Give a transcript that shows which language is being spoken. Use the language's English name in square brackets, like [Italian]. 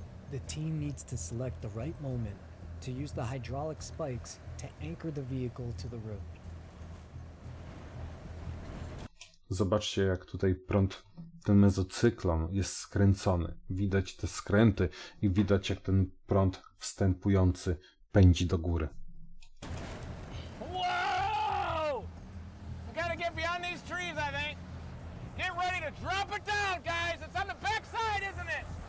[English] The team needs to select the right moment to use the hydraulic spikes to anchor the vehicle to the road. [Polish] Zobaczcie, jak tutaj prąd, ten mezocyklon jest skręcony. Widać te skręty i widać, jak ten prąd wstępujący pędzi do góry. Wow! [English] We gotta get beyond these trees, I think. Get ready to drop it down, guys. It's on the backside, isn't it?